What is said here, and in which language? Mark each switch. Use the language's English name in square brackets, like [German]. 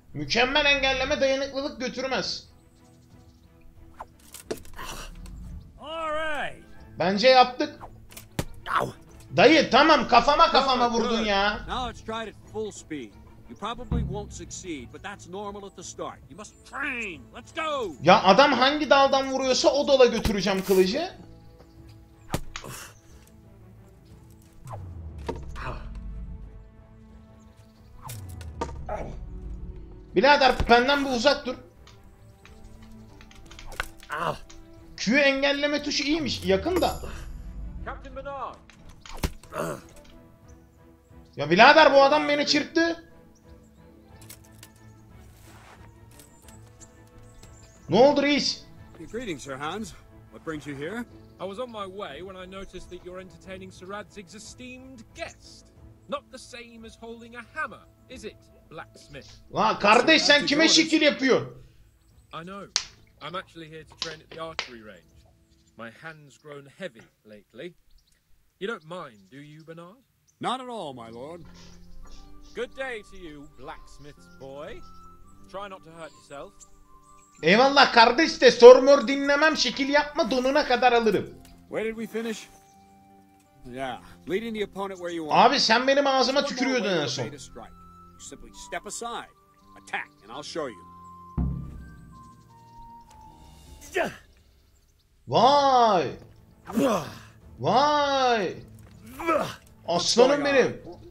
[Turkish] Mükemmel engelleme dayanıklılık götürmez. [English] All right. [Turkish] Bence yaptık. Dayı tamam kafama kafama vurdun ya. [English] Now let's try it at full speed. You probably won't succeed, but that's normal at the start. You must train. Let's go. [Turkish] Ya adam hangi daldan vuruyorsa o dala götüreceğim kılıcı. Birader benden bir uzak dur. Q'yu engelleme tuşu iyiymiş, yakın da. [English] Captain Bernard. [Turkish] Ya birader bu adam beni çırptı. Ne oldu reis? [English] Greetings, Sir Hans. What brings you here? I was on my way when I noticed that you're entertaining Sir Radzig's esteemed guest. Not the same as holding a hammer, is it, blacksmith? [Turkish] La kardeş sen Radzig kime şikil yapıyorsun? [English] I know. I'm actually here to train at the archery range. My hand's grown heavy lately. You don't mind, do you, Bernard? Not at all, my lord. Good day to you, blacksmith's boy. Try not to hurt yourself. [Turkish] Eyvallah kardeş de sormur dinlemem şekil yapma donuna kadar alırım. [English] Where did we finish? Yeah, leading the opponent where you want. [Turkish] Abi sen benim ağzıma tükürüyordun en son. [English] Simply step aside, attack, and I'll show you. [Turkish] Vay! Vay! Aslanım benim.